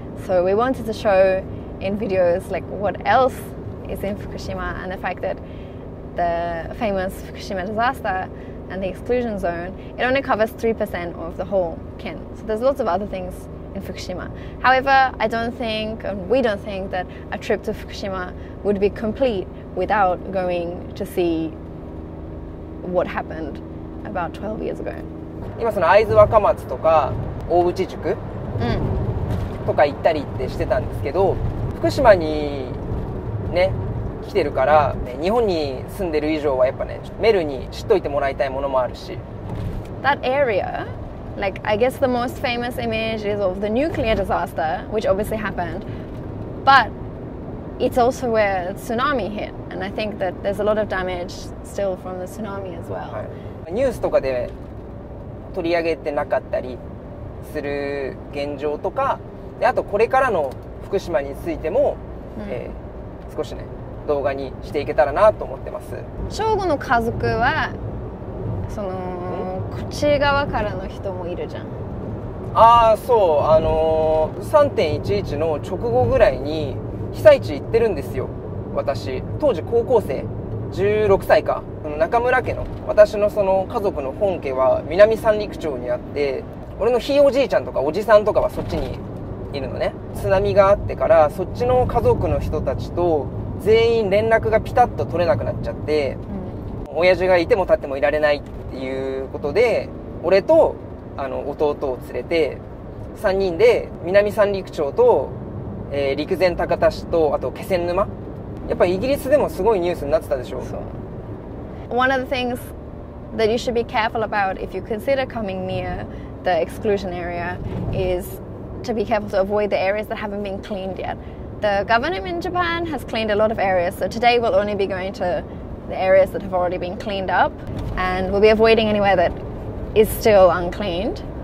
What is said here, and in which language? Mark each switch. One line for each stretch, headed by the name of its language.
English: So we wanted to show in videos like what else is in Fukushima and the fact that the famous Fukushima disaster and the exclusion zone, it only covers 3% of the whole Ken. So there's lots of other things in Fukushima. However, I don't think, and we don't think, that a trip to Fukushima would be complete without going to see what happened about 12 years ago.
Japanese: 今その会津若松とか大内宿とか行ったりってしてたんですけど、福島にね来てるから、ね、日本に住んでる以上はやっぱねメルに知っといてもらいたいものもあるし。
English: That area, like I guess the most famous image is of the nuclear disaster, which obviously happened, but it's also where tsunami hit, and I think that there's a lot of damage still from the tsunami as well.、
Japanese: はい、ニュースとかで取り上げてなかったりする現状とか、であとこれからの福島についても、mm. 少しね動画にしていけたらなと思ってます。正午の家族はそのこっち側からの人もいるじゃん。ああそう、3.11 の直後ぐらいに被災地行ってるんですよ。私当時高校生16歳か、中村家の私のその家族の本家は南三陸町にあって、俺のひいおじいちゃんとかおじさんとかはそっちにいるのね。津波があってからそっちの家族の人たちと全員連絡がピタッと取れなくなっちゃって、うん、親父がいても立ってもいられないっていうことで、俺とあの弟を連れて3人で南三陸町と、陸前高田市とあと気仙沼、やっぱりイギリスでもすごいニュースになってたでしょう。そう、
English: One of the things that you should be careful about if you consider coming near the exclusion area is to be careful to avoid the areas that haven't been cleaned yet. The government in Japan has cleaned a lot of areas, so today we'll only be going to the areas that have already been cleaned up, and we'll be avoiding anywhere that is still uncleaned.